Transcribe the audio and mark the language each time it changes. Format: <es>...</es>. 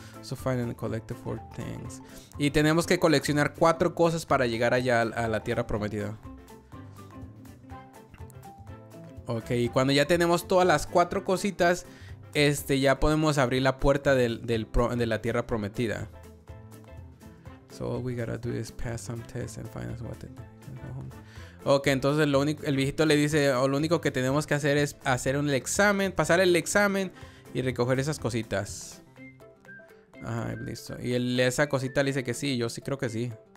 <en>So find and collect four things.</en> <es>Y tenemos que coleccionar 4 cosas para llegar allá a la Tierra Prometida. Ok, y cuando ya tenemos todas las 4 cositas, ya podemos abrir la puerta de la Tierra Prometida.</es> <en>So all we gotta do is pass some tests and find out what it is.</en> <es>Ok, entonces el viejito le dice, lo único que tenemos que hacer es hacer un examen, pasar el examen y recoger esas cositas. Ajá, listo. Y esa cosita le dice que sí, yo sí creo que sí.</es>